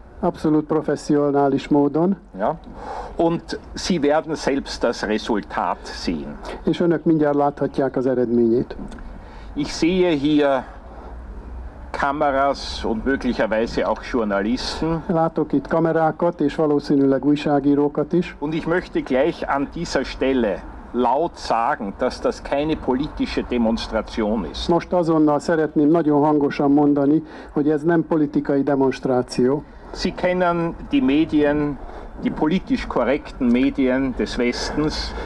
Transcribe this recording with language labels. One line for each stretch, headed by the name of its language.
Hungarian: Absolut professionális módon.
German: Ja. Und Sie werden selbst das Resultat sehen.
Hungarian: És önök mindjárt láthatják az eredményét.
German: Ich sehe hier Kameras und möglicherweise auch Journalisten.
Hungarian: Látok itt kamerákat és valószínűleg újságírókat is.
German: Und ich möchte gleich an dieser Stelle laut sagen, dass das keine politische Demonstration ist.
Hungarian: Most azonnal szeretném nagyon hangosan mondani, hogy ez nem politikai demonstráció.
German: Sie kennen die Medien, die politisch korrekten Medien des Westens.